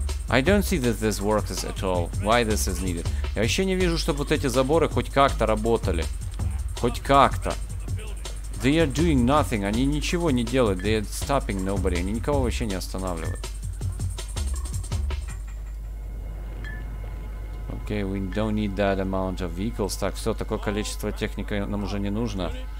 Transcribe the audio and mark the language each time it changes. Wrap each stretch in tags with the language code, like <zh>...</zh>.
<en>I don't see that this works at all. Why this is needed?</en> <ru>Я вообще не вижу, чтобы вот эти заборы хоть как-то работали. Хоть как-то.</ru> <en>They are doing nothing.</en> <ru>Они ничего не делают.</ru> <en>They are stopping nobody.</en> <ru>Они никого вообще не останавливают.</ru> <en>Okay, we don't need that amount of vehicles.</en> <ru>Так, все, такое количество техники нам уже не нужно.</ru>